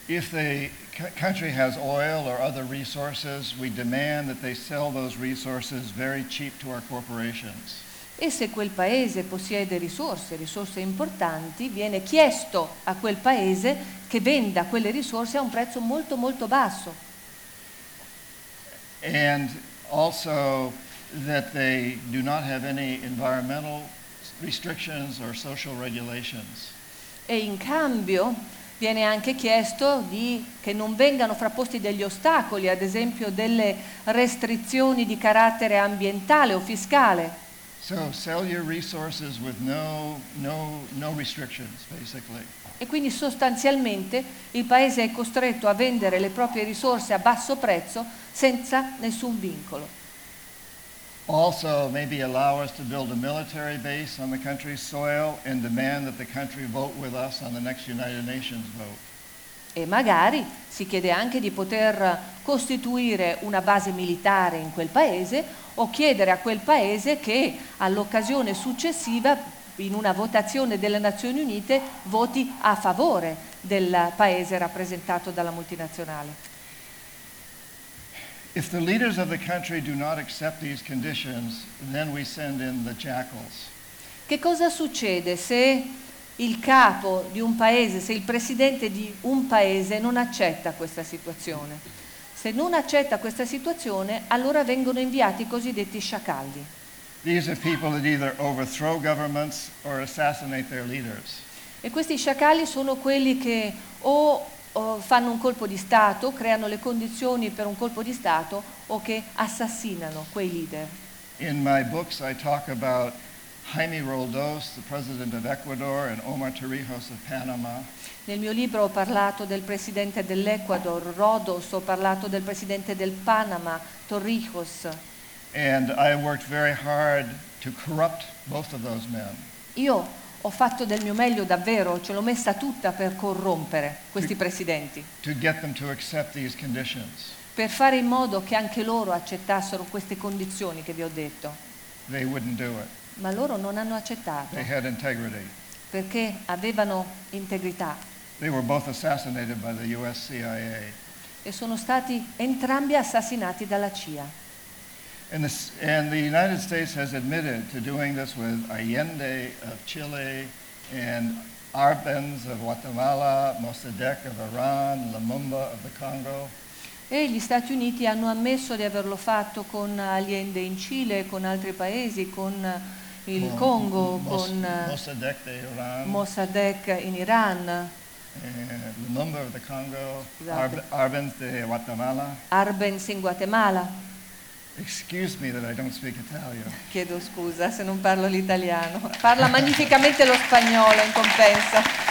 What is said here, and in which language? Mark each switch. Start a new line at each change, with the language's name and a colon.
English: If the country has oil or other resources, we demand that they sell those resources very cheap to our corporations.
Italian: E se quel paese possiede risorse, risorse importanti, viene chiesto a quel paese che venda quelle risorse a un prezzo molto molto basso.
English: And also that they do not have any environmental restrictions or social regulations.
Italian: E in cambio viene anche chiesto di che non vengano frapposti degli ostacoli, ad esempio delle restrizioni di carattere ambientale o fiscale.
English: So sell your resources with no restrictions, basically.
Italian: E quindi sostanzialmente il paese è costretto a vendere le proprie risorse a basso prezzo senza nessun vincolo.
English: Also, maybe allow us to build a military base on the country's soil and demand that the country vote with us on the next United Nations vote.
Italian: E magari si chiede anche di poter costituire una base militare in quel paese o chiedere a quel paese che all'occasione successiva, in una votazione delle Nazioni Unite, voti a favore del paese rappresentato dalla multinazionale.
English: If the leaders of the country do not accept these conditions, then we send in the jackals.
Italian: Che cosa succede se il capo di un paese, se il presidente di un paese non accetta questa situazione? Se non accetta questa situazione, allora vengono inviati i cosiddetti sciacalli.
English: These are people that either overthrow governments or assassinate their leaders.
Italian: E questi sciacalli sono quelli che o fanno un colpo di Stato, creano le condizioni per un colpo di Stato, o che assassinano quei leader.
English: In my books I talk about Jaime Roldós, the president of Ecuador, and Omar Torrijos of Panama.
Italian: Nel mio libro ho parlato del presidente dell'Ecuador, Rodos, ho parlato del presidente del Panama, Torrijos.
English: And I worked very hard to corrupt both of those men.
Italian: Io ho fatto del mio meglio davvero, ce l'ho messa tutta per corrompere questi presidenti.
English: To get them to accept these conditions.
Italian: Per fare in modo che anche loro accettassero queste condizioni che vi ho detto.
English: They wouldn't do it.
Italian: Ma loro non hanno accettato.
English: They had integrity.
Italian: Perché avevano integrità.
English: They were both assassinated by the US CIA.
Italian: E sono stati entrambi assassinati dalla CIA.
English: And the United States has admitted to doing this with Allende of Chile and Arbenz of Guatemala, Mossadegh of Iran, Lumumba of the Congo.
Italian: E gli Stati Uniti hanno ammesso di averlo fatto con Allende in Cile, con altri paesi, con il Congo, con
English: Mossadegh, Iran,
Italian: Mossadegh in Iran,
English: Lumumba of the Congo, Arbenz de Guatemala.
Italian: Arbenz in Guatemala.
English: Excuse me that I don't speak Italian.
Italian: Chiedo scusa se non parlo l'italiano. Parla magnificamente lo spagnolo in compenso.